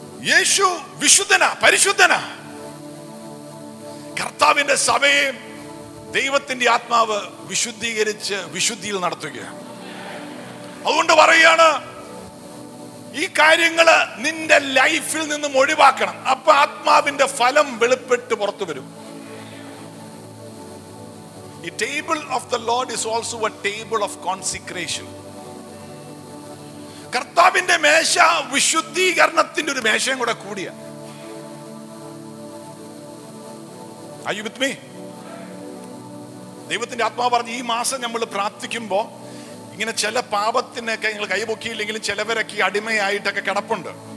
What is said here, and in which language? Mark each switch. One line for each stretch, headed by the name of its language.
Malayalam: യേശു വിശുദ്ധനാ, പരിശുദ്ധനാ. കർത്താവിന്റെ സഭയെ ദൈവത്തിന്റെ ആത്മാവ് വിശുദ്ധീകരിച്ച് വിശുദ്ധിയിൽ നടത്തുകയാണ്. അതുകൊണ്ട് പറയുകയാണ്, ഈ കാര്യങ്ങള് നിന്റെ ലൈഫിൽ നിന്നും ഒഴിവാക്കണം. അപ്പൊ ആത്മാവിന്റെ ഫലം വെളിപ്പെട്ട് പുറത്തു വരും.
English: The table of the Lord is also a table of consecration.
Malayalam: കർത്താവിന്റെ മേശ വിശുദ്ധീകരണത്തിന്റെ ഒരു മേശയും കൂടെ കൂടിയ.
English: Are you with me?
Malayalam: ദൈവത്തിന്റെ ആത്മാവ് പറഞ്ഞു, ഈ മാസം നമ്മൾ പ്രാർത്ഥിക്കുമ്പോ ഇങ്ങനെ ചില പാപത്തിനൊക്കെ നിങ്ങൾ കൈപൊക്കിയില്ലെങ്കിലും ചിലവരൊക്കെ അടിമയായിട്ടൊക്കെ കിടപ്പുണ്ട്.